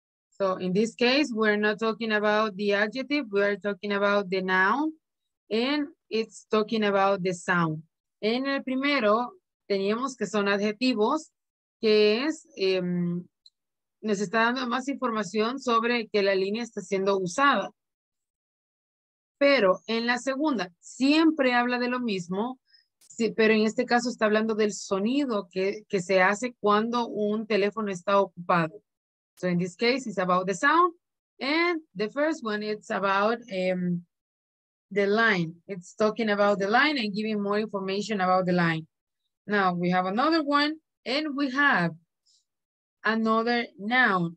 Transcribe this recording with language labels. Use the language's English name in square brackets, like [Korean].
[English] So in this case, we're not talking about the adjective, we are talking about the noun, and it's talking about the sound. [Spanish] En el primero, teníamos que son adjetivos, que es, nos está dando más información sobre que la línea está siendo usada. Pero en la segunda, siempre habla de lo mismo, sí, pero en este caso está hablando del sonido que se hace cuando un teléfono está ocupado. [English] So in this case, it's about the sound. And the first one, it's about the line. It's talking about the line and giving more information about the line. Now we have another one, and we have another noun.